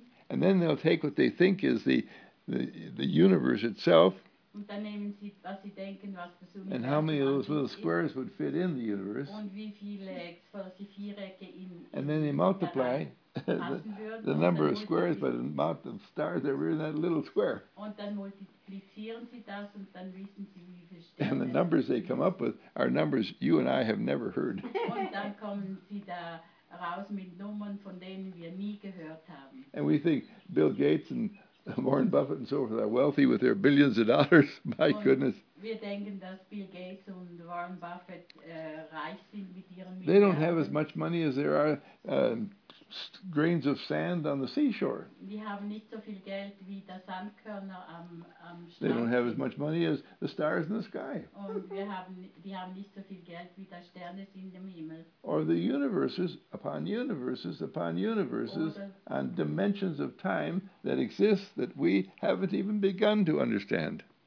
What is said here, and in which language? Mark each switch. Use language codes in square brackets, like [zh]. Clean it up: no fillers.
[en] And then they'll take what they think is the universe itself. [de] Und dann nehmen sie, was sie denken, was das Universum [en] and how many of those little squares [de] ist. [en] Would fit in the universe. [de] Und wie viele solche Vierecke in [en] and then they multiply the number of squares by the amount of stars that were in that little square. [de] Und dann multiplizieren sie das und dann wissen sie, wie viele Sterne. [en] And the numbers they come up with are numbers you and I have never heard. [de] Und dann kommen sie da raus mit Nummern, von denen wir nie gehört haben. [en] And we think Bill Gates and Warren Buffett and so forth are wealthy with their billions of dollars. My goodness. [de] Wir denken, dass Bill Gates und Warren Buffett reich sind mit ihren Millionen. [en] They don't have as much money as there are grains of sand on the seashore. [de] Die haben nicht so viel Geld wie das Sandkörner am Strand. [en] They don't have as much money as the stars in the sky. [de] Und die haben nicht so viel Geld wie das Sterne sind im Himmel. [en] Or the universes upon universes upon universes and dimensions of time that exist that we haven't even begun to understand.